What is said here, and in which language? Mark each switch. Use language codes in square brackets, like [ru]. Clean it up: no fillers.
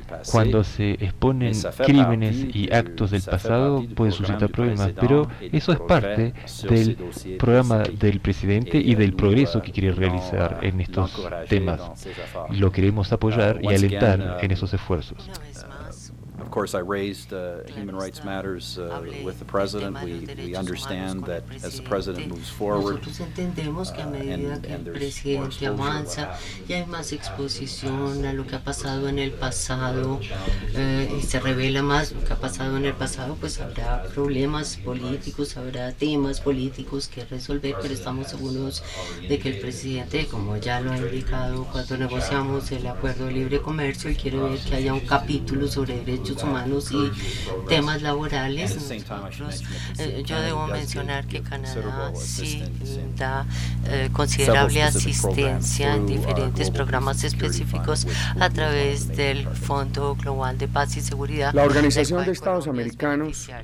[es] Cuando se exponen crímenes y actos del pasado, puede suscitar problemas, pero eso es parte del programa del presidente y del progreso que quiere realizar en estos temas. Lo queremos apoyar y alentar en esos esfuerzos. [en] Of course, I raised human rights matters with the president. We understand that as the president moves forward, and there's more. [es] humanos y temas laborales. Nosotros, yo debo mencionar que Canadá sí da considerable asistencia en diferentes programas específicos a través del Fondo Global de Paz y Seguridad. La Organización de Estados Americanos,